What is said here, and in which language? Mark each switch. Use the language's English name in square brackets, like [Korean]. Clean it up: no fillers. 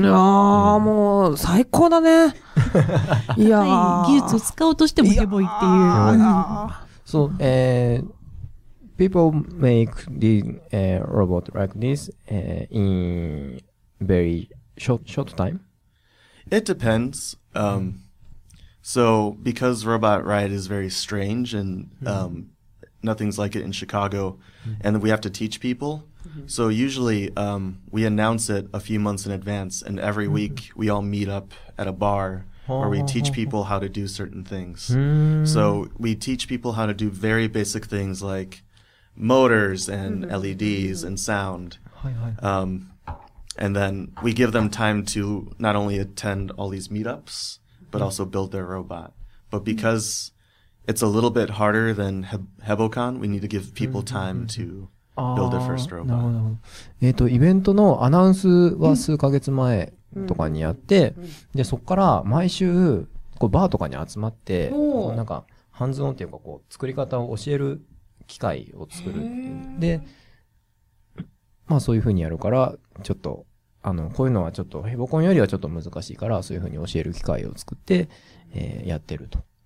[Japanese] うん、いやー、うん、もう、最高だね。いやー。技術を使おうとしてもヘボイっていう。いや [English] ーそう、people make the、robot like this、in very short time? It depends.、So, because Robot Riot is very strange and、nothing's like it in Chicago,、and we have to teach people.、So usually,、we announce it a few months in advance, and every week we all meet up at a bar where we teach people how to do certain things.、So we teach people how to do very basic things like motors and LEDs and sound. And then we give them time to not only attend all these meetups, but also build their robot. But becauseIt's a little bit harder than HeboCon. We need to give people time to build their first robot. [Japanese] なるほど。イベントのアナウンスは数ヶ月前とかにやって、で、そっから毎週、こう、バーとかに集まって、なんか、ハンズオンっていうか、こう、作り方を教える機会を作る。で、まあ、そういうふうにやるから、ちょっと、あの、こういうのはちょっと、HeboCon よりはちょっと難しいから、そういうふうに教える機会を作って、やってると。